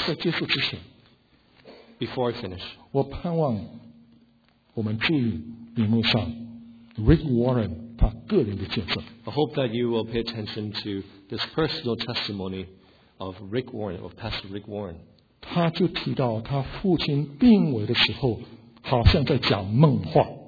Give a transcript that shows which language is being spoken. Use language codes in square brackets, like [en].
[zh] 在结束之前 [en] ，Before I finish, [zh] 我盼望我们注意屏幕上 Rick Warren。 [en] I hope that you will pay attention to this personal testimony of Rick Warren, of Pastor Rick Warren. [zh] 他就提到他父亲病危的时候，好像在讲梦话。